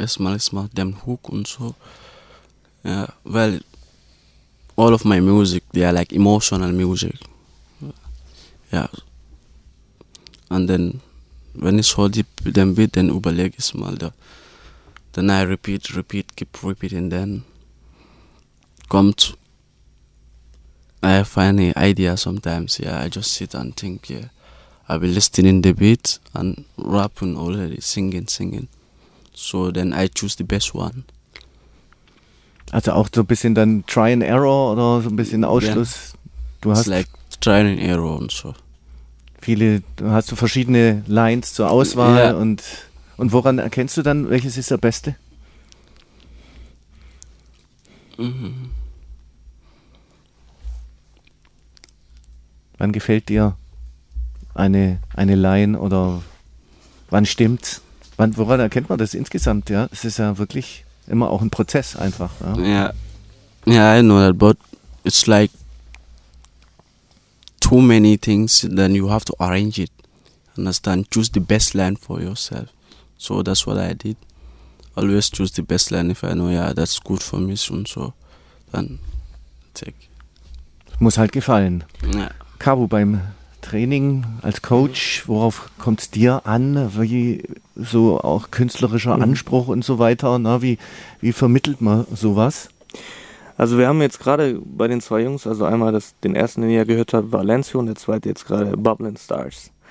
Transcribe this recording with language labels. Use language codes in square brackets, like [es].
[de] Erstmal den Hook und so. Ja, weil [en] all of my music, they are like emotional music. Ja. [de] Und dann, wenn ich so den Beat, dann überleg ich mal da. Dann [en] I repeat, keep repeating then. [de] Kommt, [en] I have an idea sometimes, yeah, I just sit and think, yeah, I be listening the beat and rapping already, singing, so then I choose the best one. [de] Also auch so ein bisschen dann [en] Try and Error [de] oder so ein bisschen Ausschluss, Du hast [en] like trial and error [de] und so. Viele, hast du verschiedene Lines zur Auswahl, yeah. Und woran erkennst du dann, welches ist der beste? Mhm. Wann gefällt dir eine Line oder wann stimmt's? Woran erkennt man das insgesamt? Ja, es ist ja wirklich immer auch ein Prozess einfach. Ja, yeah. [en] Yeah, I know that, but it's like too many things, then you have to arrange it. Understand? Choose the best line for yourself. So that's what I did. Always choose the best line if I know, yeah, that's good for me. [de] Und so, dann check. Muss halt gefallen. Ja. Kabu, beim Training als Coach, worauf kommt es dir an? Wie so auch künstlerischer Anspruch und so weiter? Na, wie vermittelt man sowas? Also wir haben jetzt gerade bei den zwei Jungs, also einmal den ersten, den ihr gehört habt, war Lenzio, und der zweite jetzt gerade Bubbling Stars.